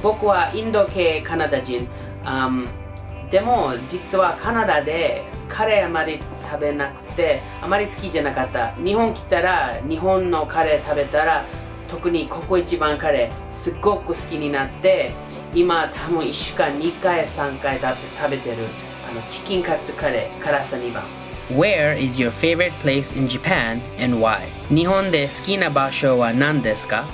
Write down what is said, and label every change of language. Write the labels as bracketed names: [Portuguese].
[Japanese] 僕はインド系カナダ人、でも実はカナダでカレーあまり食べなくて、あまり好きじゃなかった。日本来たら日本のカレー食べたら、特にここ一番カレーすっごく好きになって、今多分1週間2回3回だって食べてる。チキンカツカレー辛さ2番。 [English] Where is your favorite place in Japan and why? [Japanese] 日本で好きな場所は何ですか？